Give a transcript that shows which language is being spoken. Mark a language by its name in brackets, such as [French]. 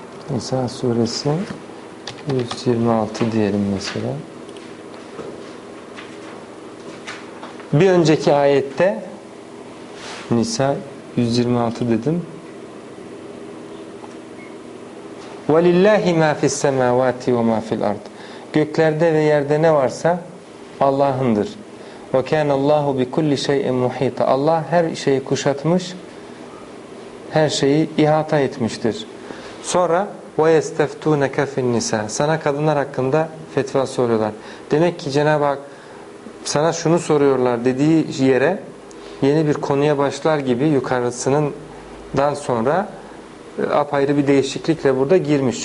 [Turkish] Nisa suresi 126 diyelim mesela. Bir önceki ayette Nisa 126 dedim. [Arabic] وَلِلَّهِ مَا فِي السَّمَاوَاتِ وَمَا فِي الْأَرْضِ, [Turkish] göklerde ve yerde ne varsa Allah'ındır. [Arabic] وَكَانَ اللّٰهُ بِكُلِّ شَيْءٍ مُحِيطًا, [Turkish] Allah her şeyi kuşatmış, her şeyi ihata etmiştir. Sonra [Arabic] وَيَسْتَفْتُونَكَ فِي النِّسَاءِ, [Turkish] sana kadınlar hakkında fetva soruyorlar. Demek ki Cenab-ı Hak sana şunu soruyorlar dediği yere yeni bir konuya başlar gibi yukarısından sonra apayrı bir değişiklikle burada girmiş.